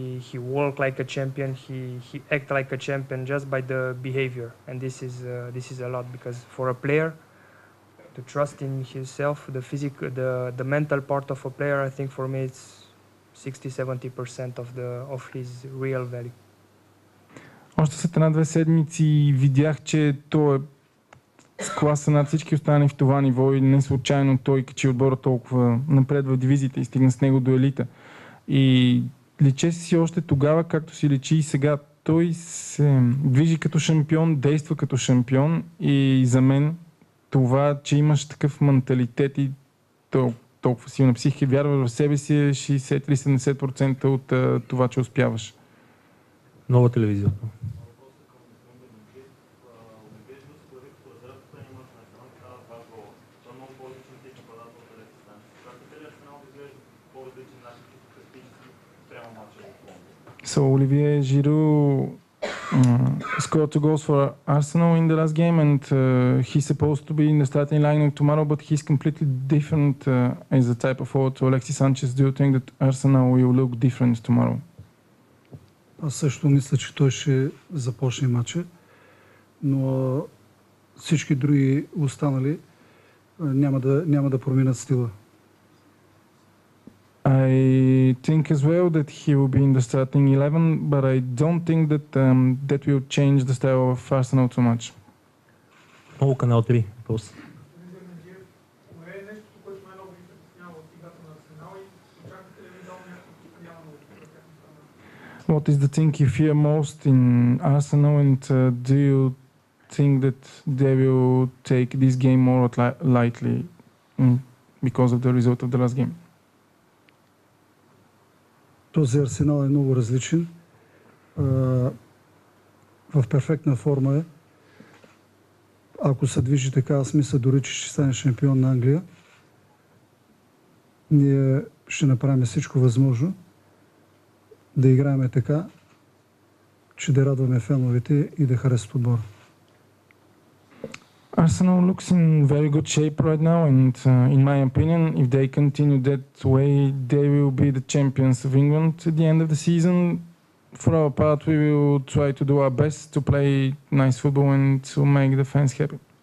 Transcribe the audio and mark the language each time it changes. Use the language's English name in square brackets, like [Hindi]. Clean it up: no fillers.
[English] He walk like a champion. He act like a champion just by the behavior. And this is a lot, because for a player to trust in himself, the physical, the mental part of a player, I think for me it's 60-70% of his real value. [Bulgarian] Още след една-две седмици видях, че той с класа над всички останали в това ниво и не случайно той качи отбора толкова напред в дивизията и стигна с него до елита. И личеше си още тогава, както си личи и сега. Той се движи като шампион, действа като шампион и за мен това, че имаш такъв менталитет и толкова силна психика, вярваш в себе си, 60-70% от това, че успяваш. Нова телевизия. [English] So Olivier Giroud scored 2 goals for Arsenal in the last game, and he's supposed to be in the starting lineup tomorrow, but he's completely different as a type of forward to Alexis Sanchez. Do you think that Arsenal will look different tomorrow? [Bulgarian] Аз също мисля, че той ще започне матча, но всички други останали няма да променят стила. [English] I think as well that he will be in the starting 11, but I don't think that that will change the style of Arsenal too much. Oh, Canal 3, please. What is the thing you fear most in Arsenal, and do you think that they will take this game more lightly because of the result of the last game? [Bulgarian] Този Арсенал е много различен. В перфектна форма е. Ако се движи така, аз мисля дори, че ще стане шампион на Англия. Ние ще направим всичко възможно да играем така, че да радваме феновете и да харесат отбора. [English] Arsenal looks in very good shape right now, and in my opinion, if they continue that way, they will be the champions of England at the end of the season. for our part, we will try to do our best to play nice football and to make the fans happy.